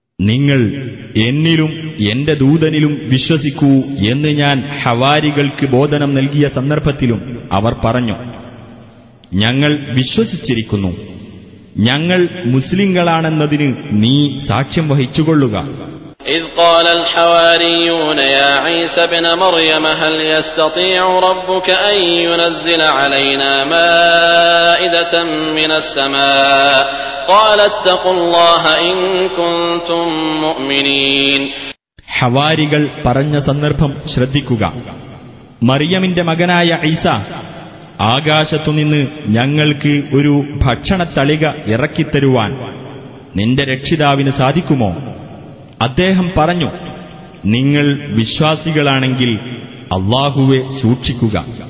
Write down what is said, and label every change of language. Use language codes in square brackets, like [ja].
[ml] നിങ്ങൾ എന്നിലും എന്റെ ദൂതനിലും വിശ്വസിക്കൂ എന്ന് ഞാൻ ഹവാരികൾക്ക് ബോധനം നൽകിയ സന്ദർഭത്തിലും അവർ പറഞ്ഞു, ഞങ്ങൾ വിശ്വസിച്ചിരിക്കുന്നു, ഞങ്ങൾ മുസ്ലിങ്ങളാണെന്നതിന് നീ സാക്ഷ്യം വഹിച്ചുകൊള്ളുക. [ar] إذ قال الحواريون يا عيسى ابن مريم هل يستطيع ربك أن ينزل علينا مائدة من السماء قال اتقوا الله إن كنتم مؤمنين [ml] حواريകൾ പറഞ്ഞ സന്ദർഭം ശ്രദ്ധിക്കുക. മറിയമിന്റെ മകനായ ഈസ ആകാശത്തുനിന്ന് ഞങ്ങൾക്ക് ഒരു ഭക്ഷണതളിക ഇറക്കി തരുവാൻ നിന്റെ രക്ഷിതാവിനെ സാധിക്കുമോ? അദ്ദേഹം പറഞ്ഞു, നിങ്ങൾ വിശ്വാസികളാണെങ്കിൽ അല്ലാഹുവെ സൂക്ഷിക്കുക.